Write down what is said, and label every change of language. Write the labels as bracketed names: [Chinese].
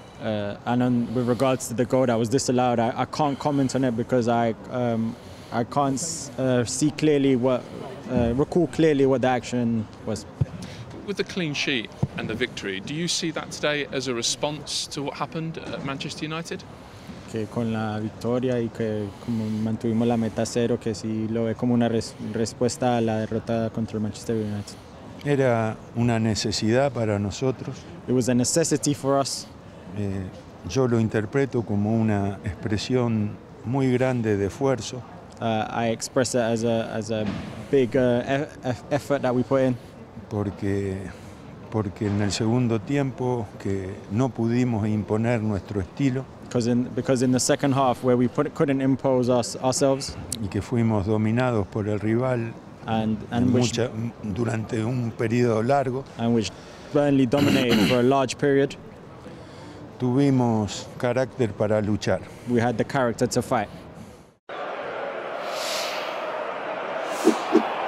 [English] With regards to the goal that was disallowed, I can't comment on it because I can't see clearly recall clearly what the action was. With the clean sheet and the victory, do you see that today as a response to what happened at Manchester United? [Spanish] Que con la victoria y que como mantuvimos la meta cero, que sí lo ve como una respuesta a la derrota contra el Manchester United. Era una necesidad para nosotros. [English] It was a necessity for us. [Spanish] Yo lo interpreto como una expresión muy grande de esfuerzo. [English] I express it as a big effort that we put in. [Spanish] Porque en el segundo tiempo que no pudimos imponer nuestro estilo. [English] Because in the second half where we couldn't impose ourselves. [Spanish] Y que fuimos dominados por el rival durante un periodo largo. [English] And which Burnley dominated for a large period. [Spanish] Tuvimos carácter para luchar. [English] We had the character to fight. Thank you.